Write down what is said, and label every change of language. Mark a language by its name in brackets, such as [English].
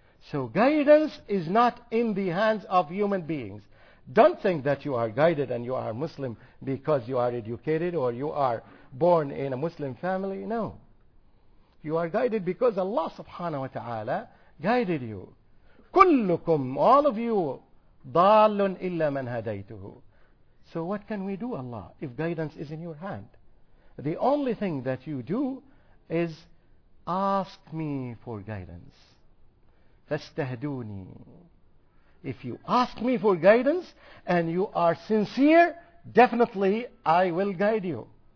[English] So guidance is not in the hands of human beings. Don't think that you are guided and you are Muslim because you are educated or you are born in a Muslim family. No. You are guided because Allah subhanahu wa ta'ala guided you. [Arabic] كلكم, [English] all of you, [Arabic] ضالٌ إلا من هديته. [English] So what can we do, Allah, if guidance is in your hand? The only thing that you do is ask me for guidance. [Arabic] فاستهدوني. [English] If you ask me for guidance and you are sincere, definitely I will guide you.